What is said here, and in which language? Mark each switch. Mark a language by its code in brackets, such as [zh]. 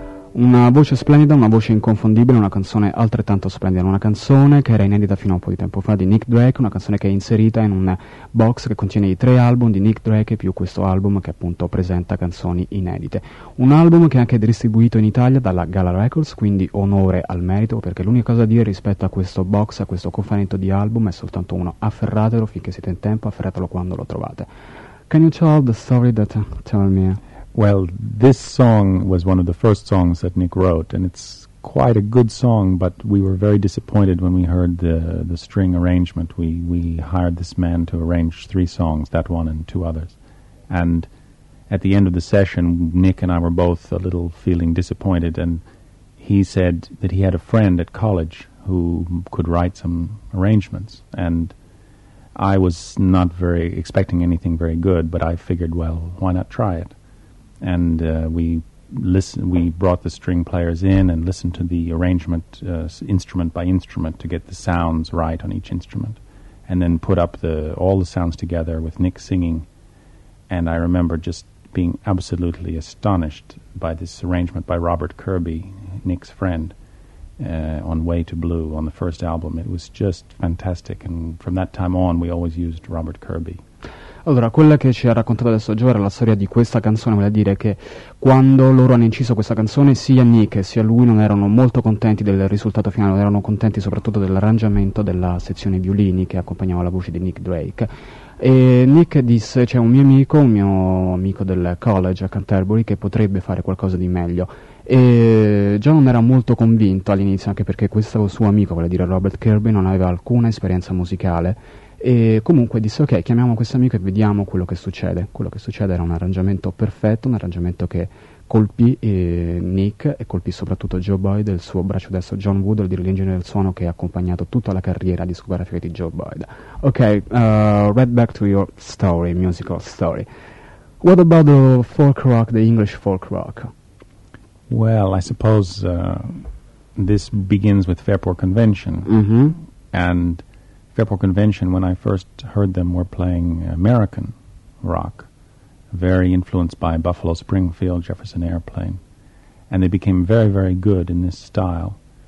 [it] Una voce splendida, una voce inconfondibile, una canzone altrettanto splendida, una canzone che era inedita fino a un po' di tempo fa di Nick Drake, una canzone che è inserita in un box che contiene i tre album di Nick Drake più questo album che appunto presenta canzoni inedite. Un album che è anche distribuito in Italia dalla Gala Records, quindi onore al merito, perché l'unica cosa da dire rispetto a questo box, a questo cofanetto di album è soltanto uno: afferratelo finché siete in tempo, afferratelo quando lo trovate. [en] Can you tell the story that tell me? Well, this song was one of the first songs that Nick wrote, and it's quite a good song, but we were very disappointed when we heard the string arrangement. We hired this man to arrange three songs, that one and two others. And at the end of the session, Nick and I were both a little feeling disappointed, and he said that he had a friend at college who could write some arrangements, and I was not very expecting anything very good, but I figured, well, why not try it? And we brought the string players in and listened to the arrangement instrument by instrument to get the sounds right on each instrument, and then put up all the sounds together with Nick singing. And I remember just being absolutely astonished by this arrangement by Robert Kirby, Nick's friend, on Way to Blue on the first album. It was just fantastic, and from that time on we always used Robert Kirby. [it] Allora, quella che ci ha raccontato adesso Joe era la storia di questa canzone, vuol dire che quando loro hanno inciso questa canzone, sia Nick sia lui non erano molto contenti del risultato finale, non erano contenti soprattutto dell'arrangiamento della sezione violini che accompagnava la voce di Nick Drake. E Nick disse: c'è un mio amico del college a Canterbury che potrebbe fare qualcosa di meglio. E John non era molto convinto all'inizio, anche perché questo suo amico, vuol dire Robert Kirby, non aveva alcuna esperienza musicale. E comunque disse: ok, chiamiamo questo amico e vediamo quello che succede. Quello che succede era un arrangiamento perfetto, un arrangiamento che colpì Nick e colpì soprattutto Joe Boyd, il suo braccio destro John Wood, il dirigente del suono che ha accompagnato tutta la carriera discografica di Joe Boyd. [en] Ok, right back to your story, musical story. What about the folk rock, the English folk rock? Well, I suppose this begins with Fairport Convention. Mm-hmm. And Fairport Convention, when I first heard them, were playing American rock, very influenced by Buffalo Springfield, Jefferson Airplane, and they became very, very good in this style.